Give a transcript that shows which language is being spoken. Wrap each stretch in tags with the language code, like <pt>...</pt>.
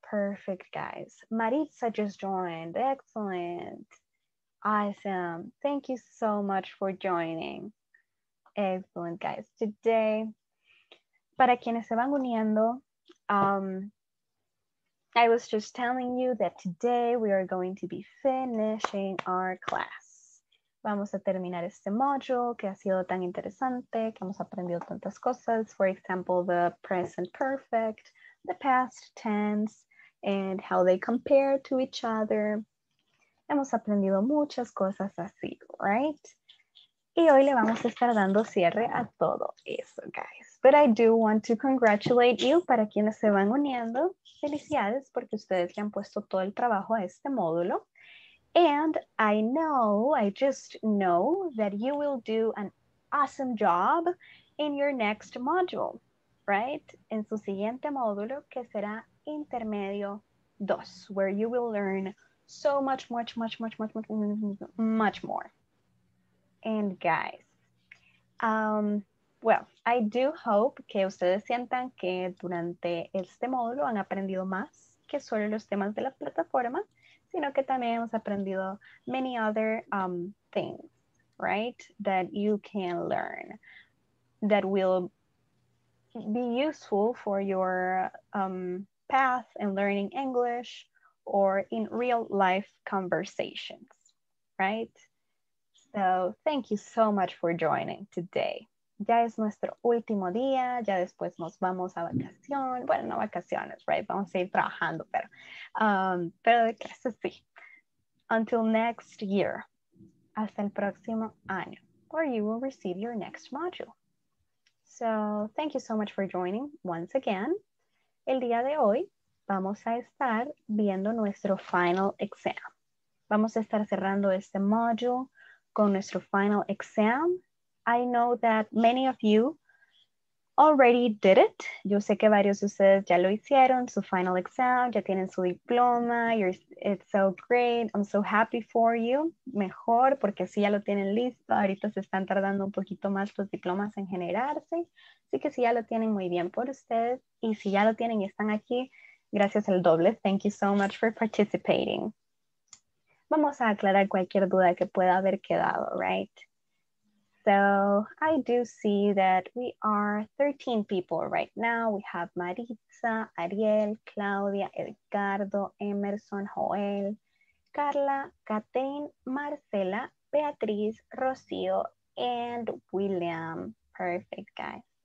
<en>Perfect, guys. Maritza just joined. Excellent. Awesome. Thank you so much for joining. Excellent, guys. Today,</en> <es>para quienes se van uniendo,</es> <en>I was just telling you that today we are going to be finishing our class.</en> <es>Vamos a terminar este module que ha sido tan interesante, que hemos aprendido tantas cosas.</es> <en>For example, the present perfect, the past tense, and how they compare to each other.</en> <es>Hemos aprendido muchas cosas así, right? Y hoy le vamos a estar dando cierre a todo eso, guys.</es> <en>But I do want to congratulate you,</en> <es>para quienes se van uniendo. Felicidades, porque ustedes le han puesto todo el trabajo a este módulo.</es> <en>And I just know that you will do an awesome job in your next module, right?</en> <es>En su siguiente módulo, que será intermedio 2,</es> <en>where you will learn so much more. And guys, well, I do hope</en> <es>que ustedes sientan que durante este módulo han aprendido más que solo los temas de la plataforma, sino que también hemos aprendido</es> <en>many other things, right? That you can learn that will be useful for your path in learning English or in real life conversations, right? So thank you so much for joining today.</en> <es>Ya es nuestro último día, ya después nos vamos a vacación. Bueno, no vacaciones, right? Vamos a ir trabajando, pero de clase sí.</es> <en>Until next year,</en> <es>hasta el próximo año,</es> <en>where you will receive your next module. So thank you so much for joining once again.</en> <es>El día de hoy vamos a estar viendo nuestro final exam. Vamos a estar cerrando este module con nuestro final exam.</es> <en>I know that many of you already did it.</en> <es>Yo sé que varios de ustedes ya lo hicieron, su final exam, ya tienen su diploma.</es> <en>It's so great. I'm so happy for you.</en> <es>Mejor, porque así ya lo tienen listo. Ahorita se están tardando un poquito más los diplomas en generarse. Así que si ya lo tienen, muy bien por ustedes. Y si ya lo tienen y están aquí, gracias el doble.</es> <en>Thank you so much for participating.</en> <es>Vamos a aclarar cualquier duda que pueda haber quedado, right?</es> <en>So I do see that we are 13 people right now. We have Maritza, Ariel, Claudia, Edgardo, Emerson, Joel, Carla, Katain, Marcela, Beatriz, Rocio, and William. Perfect, guys.</en>